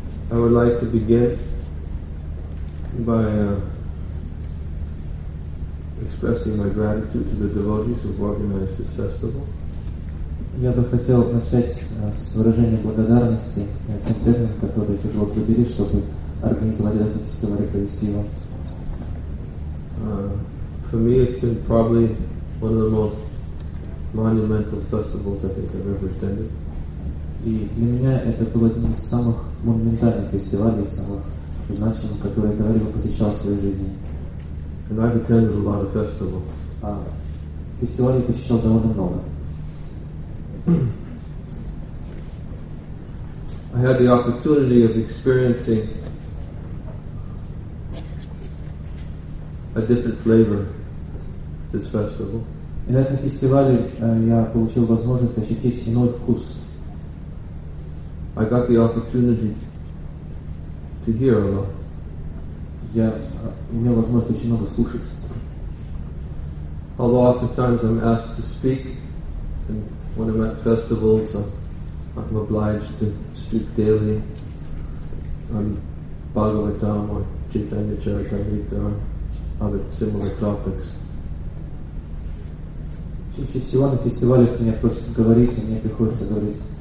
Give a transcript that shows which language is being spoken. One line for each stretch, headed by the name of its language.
English: I would like to begin by expressing my gratitude to the devotees who organized this festival.
Russian: Я бы хотел начать с выражения благодарности тем людям, которые тяжело трудились, чтобы организовать этот фестиваль красиво.
English: For me, it's been probably one of the most monumental festivals I think I've ever attended.
Russian: И для меня это был один из самых монументальных фестивалей, самых значимых, которые я когда-либо посещал в своей жизни.
English: And I've attended a lot of festivals.
Russian: Фестивалей посещал довольно много.
English: I had the opportunity of experiencing a different flavor this festival.
Russian: И на этом фестивале я получил возможность ощутить иной вкус.
English: I got the opportunity to hear a lot.
Russian: Я имел возможность очень много слушать.
English: Although oftentimes I'm asked to speak, and when I'm at festivals, I'm obliged to speak daily on Bhagavatam or Chaitanya Charitamrita or other similar topics.
Russian: Чаще всего на фестивалях меня просят говорить, и мне приходится говорить.